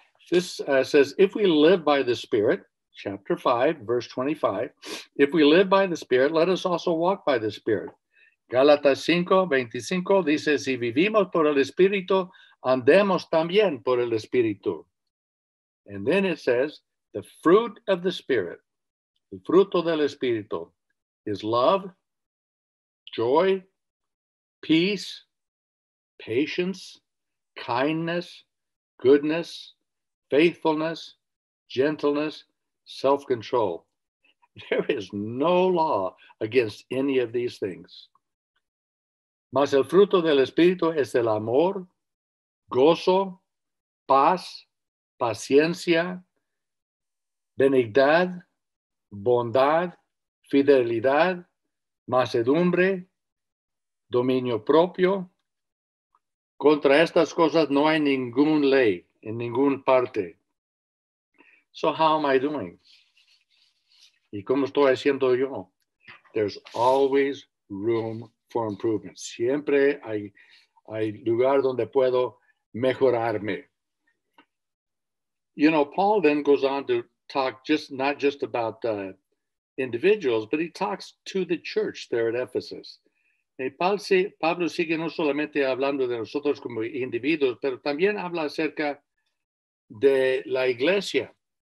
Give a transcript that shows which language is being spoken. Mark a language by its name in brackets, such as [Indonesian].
[English] This says, if we live by the Spirit, chapter 5, verse 25, if we live by the Spirit, let us also walk by the Spirit. [Spanish] Gálatas 5, 25 dice, si vivimos por el Espíritu, andemos también por el Espíritu. [English] And then it says, the fruit of the Spirit, [Spanish] el fruto del Espíritu, [English] is love, joy, peace, patience, kindness, goodness, faithfulness, gentleness, self-control. There is no law against any of these things. [Spanish] Mas el fruto del Espíritu es el amor, gozo, paz, paciencia, benignidad, bondad, fidelidad, mansedumbre, dominio propio. Contra estas cosas no hay ningún ley en ningún parte. [English] So how am I doing? [Spanish] ¿Y cómo estoy haciendo yo? [English] There's always room for improvement. [Spanish] Siempre hay lugar donde puedo mejorarme. [English] You know, Paul then goes on to talk not just about individuals, but he talks to the church there at Ephesus. [Spanish] Pablo sigue no solamente hablando de nosotros como individuos, pero también habla acerca de la iglesia.